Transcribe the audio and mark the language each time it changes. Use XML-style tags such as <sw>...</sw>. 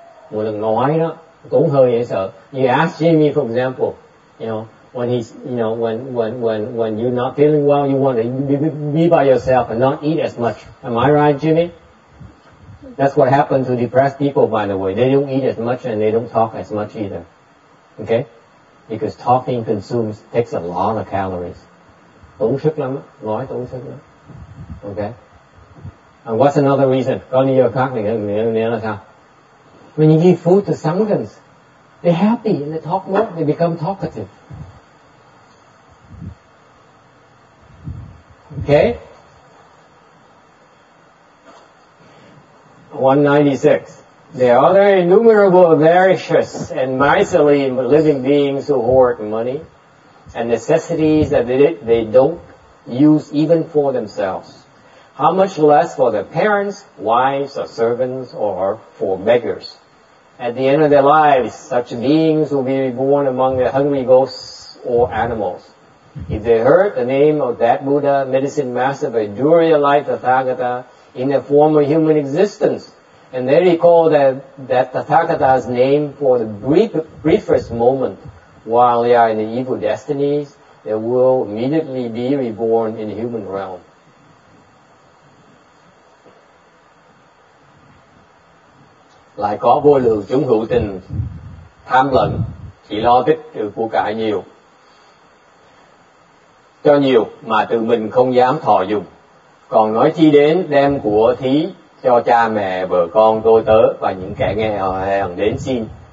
<vi>Một lần nói đó, tốn hơi dễ sợ.</vi> <en>You ask Jimmy, for example, you know, when he's, you know, when you're not feeling well, you want to be by yourself and not eat as much. Am I right, Jimmy? That's what happens to depressed people, by the way. They don't eat as much and they don't talk as much either. Okay? Because talking consumes, takes a lot of calories.</en> <vi>Tốn sức lắm, nói tốn sức lắm.</vi> <en>Okay? And what's another reason?</en> <vi>Có lý do khác thì nghĩa là sao?</vi> <en>When you give food to sanghas, they're happy and they talk more, they become talkative. Okay. 196. There are other innumerable avaricious and miserly living beings who hoard money and necessities that they don't use even for themselves. How much less for their parents, wives, or servants, or for beggars? At the end of their lives, such beings will be reborn among the hungry ghosts or animals. If they heard the name of that Buddha, medicine master, by Durya Light Tathagata, in their former human existence, and they recall that Tathagata's name for the briefest moment while they are in the evil destinies, they will immediately be reborn in the human realm.</en> <vi>Lại có vô lượng chúng hữu tình tham lận chỉ lo tích trữ của cải nhiều cho nhiều mà tự mình không dám thọ dùng, còn nói chi đến đem của thí cho cha mẹ vợ con tôi tớ và những kẻ nghèo hèn đến xin.</vi>